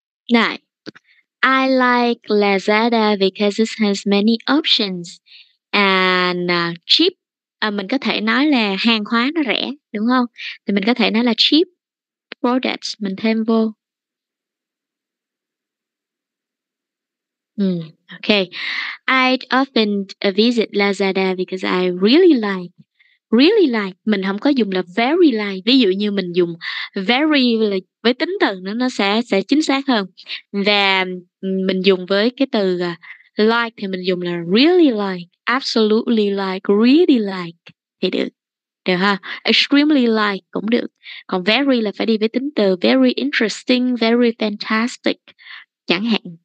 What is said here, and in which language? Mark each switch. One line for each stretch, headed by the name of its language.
English: Now, I like Lazada because it has many options and cheap.
Vietnamese: Mình có thể nói là hàng hóa nó rẻ, đúng không? Thì mình có thể nói là
English: cheap products,
Vietnamese: mình thêm vô.
English: Okay. I'd often visit Lazada because I really like,
Vietnamese: mình không có dùng là
English: very like.
Vietnamese: Ví dụ như mình dùng very là với tính từ nó sẽ chính xác hơn. Và mình dùng với cái từ like thì mình dùng là really like, absolutely like, really like thì được. Được ha? Extremely like cũng được. Còn very là phải đi với tính từ
English: very interesting, very fantastic
Vietnamese: chẳng hạn.